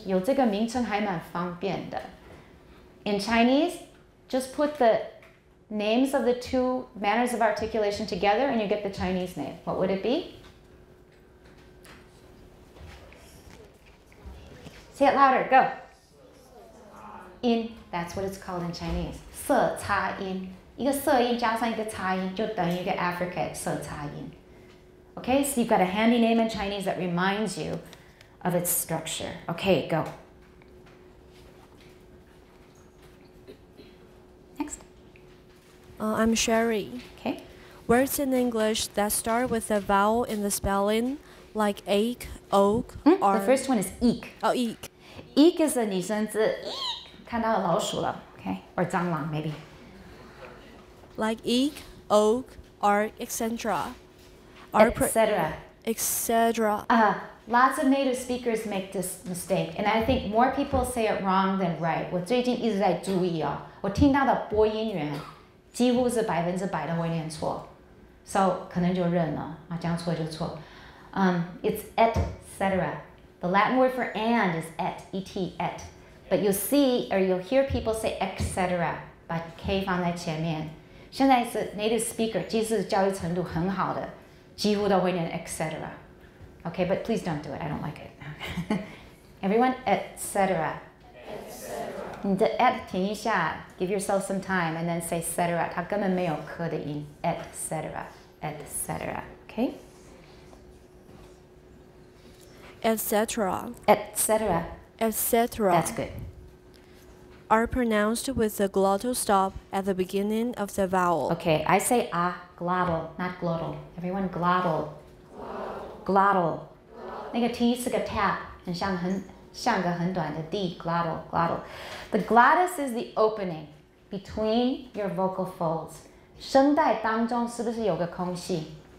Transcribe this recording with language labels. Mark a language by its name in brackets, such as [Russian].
[Chinese] 有这个名称还蛮方便的。 [English] In Chinese, just put the names of the two manners of articulation together and you get the Chinese name. What would it be? Say it louder, go. In, that's what it's called in Chinese. [Chinese] 色差音，一个色音加上一个差音就等于一个 affricate, 色差音。 [English] Okay, so you've got a handy name in Chinese that reminds you of its structure. Okay, go. Next. I'm Sherry. Okay. Words in English that start with a vowel in the spelling, like ache, oak, are... The first one is eek. Oh, eek. Eek is a 拟声字 eek, [Chinese] 看到老鼠了 [English] okay, or 蟑螂 maybe. Like eek, oak, arc, etc. Etc. Lots of native speakers make this mistake, and I think more people say it wrong than right. [Chinese] 我最近一直在注意哦，我听到的播音员几乎是百分之百都会念错 ，so 可能就认了啊，这样错就错。 [English] It's etc. The Latin word for and is et, et, et. But you'll see or you'll hear people say etc. [Chinese] 把 k 放在前面。现在是 native speaker， 即使教育程度很好的。几乎都会念 etc. [English] Okay, but please don't do it. I don't like it. Everyone, etc. etc. [Chinese] 你的 [English] et [Chinese] 停一下 [English] give yourself some time, and then say etc. [Chinese] 它根本没有科的音 etc. etc. Okay? [English] etc. etc. etc. That's good. Are pronounced with the glottal stop at the beginning of the vowel. Okay, I say ah. Glottal, not glottal. Everyone, glottal. Glottal. Glottal. [Chinese] 那个听是个 [English] tap, [Chinese] 很像很像个很短的 [English] d, glottal, glottal. The glottis is the opening between your vocal folds. [Chinese] 声带当中是不是有个空隙?